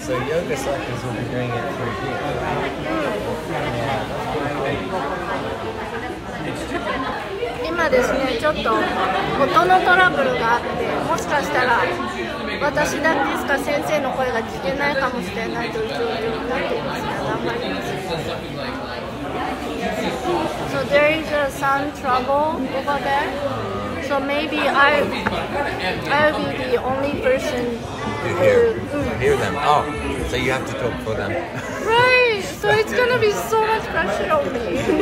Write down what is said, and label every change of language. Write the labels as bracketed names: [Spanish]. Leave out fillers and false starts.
[English] Yoga cycles will be doing it for a year. [Japanese] 今ですね、ちょっと音のトラブルがあって、もしかしたら私だけですか先生の声が聞けないかもしれないという状況になっていますから、頑張ります。 [English] So there is a sound trouble over there. So maybe I'll be the only person to hear. Hear them. Oh, so you have to talk for them. Right. So it's gonna be so much pressure on me.